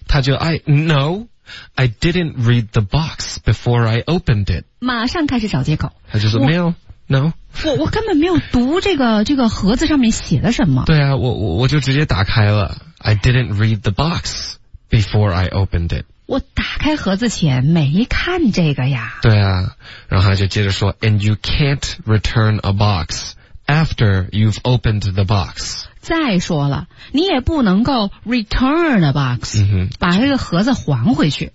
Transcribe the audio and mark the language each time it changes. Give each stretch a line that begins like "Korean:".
Chinese: 他就
English: I didn't read the box before I opened it。
Chinese: 马上开始找借口。他就说没有 ，
English: no。
Chinese: 我根本没有读这个盒子上面写的什么。对啊，我就直接打开了。
English: I didn't read the box before I opened it。
Chinese: 我打开盒子前没看这个呀。对啊，然后他就接着说
English: ，And you can't return a box after you've opened the box。
Chinese: 再说了，你也不能够
English: return a box、嗯、
Chinese: 把这个盒子还回去，